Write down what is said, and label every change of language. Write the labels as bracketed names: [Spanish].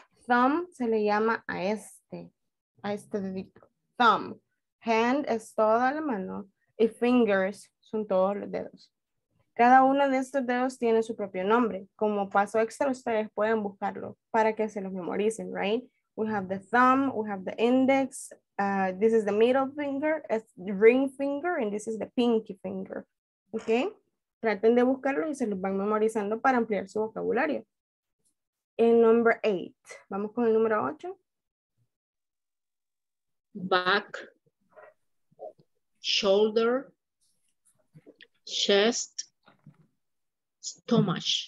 [Spanish] Thumb se le llama a este dedito. Thumb. Hand es toda la mano y fingers son todos los dedos. Cada uno de estos dedos tiene su propio nombre. Como paso extra, ustedes pueden buscarlo para que se los memoricen, right? [English] We have the thumb, we have the index. This is the middle finger, it's the ring finger, and this is the pinky finger. Okay? [Spanish] Traten de buscarlos y se los van memorizando para ampliar su vocabulario. En number 8. Vamos con el número 8. [English] Back. Shoulder. Chest. Stomach.